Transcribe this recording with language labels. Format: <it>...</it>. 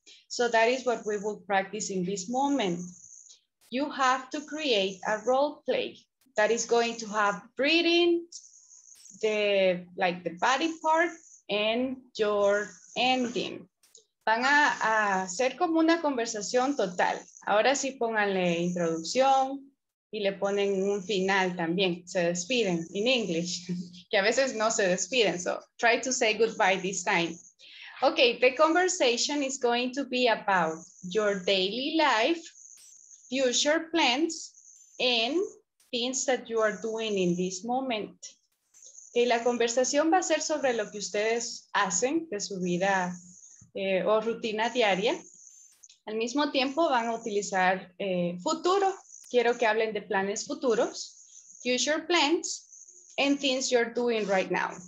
<en>So that is what we will practice in this moment. You have to create a role play that is going to have breathing, the body part, and your ending.</en> <es>Van a hacer como una conversación total. Ahora sí pónganle introducción y le ponen un final también. Se despiden</es> <en>in English,</en> <es>que a veces no se despiden.</es> <en>So try to say goodbye this time. Okay, the conversation is going to be about your daily life, future plans, and things that you are doing in this moment.</en> <es>Okay, la conversación va a ser sobre lo que ustedes hacen de su vida o rutina diaria. Al mismo tiempo van a utilizar futuro. Quiero que hablen de planes futuros,</es> <en>future plans, and things you're doing right now.</en>